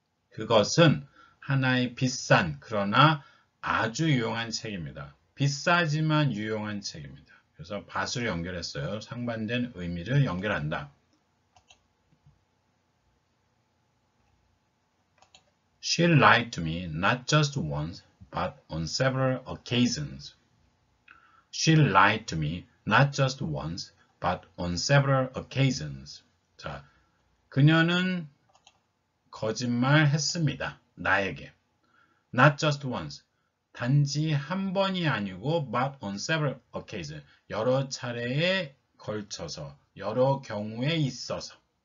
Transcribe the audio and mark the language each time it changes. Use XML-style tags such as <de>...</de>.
<ko>그것은 하나의 비싼 그러나 아주 유용한 책입니다. 비싸지만 유용한 책입니다. 그래서 밭을 연결했어요. 상반된 의미를 연결한다.</ko> <en>She lied to me not just once, but on several occasions. She lied to me not just once, but on several occasions.</en> <ko>자, 그녀는 거짓말했습니다. 나에게.</ko> <en>Not just once.</en> <ko>단지 한 번이 아니고,</ko> <en>but on several occasions.</en> <ko>여러 차례에 걸쳐서, 여러 경우에 있어서.</ko>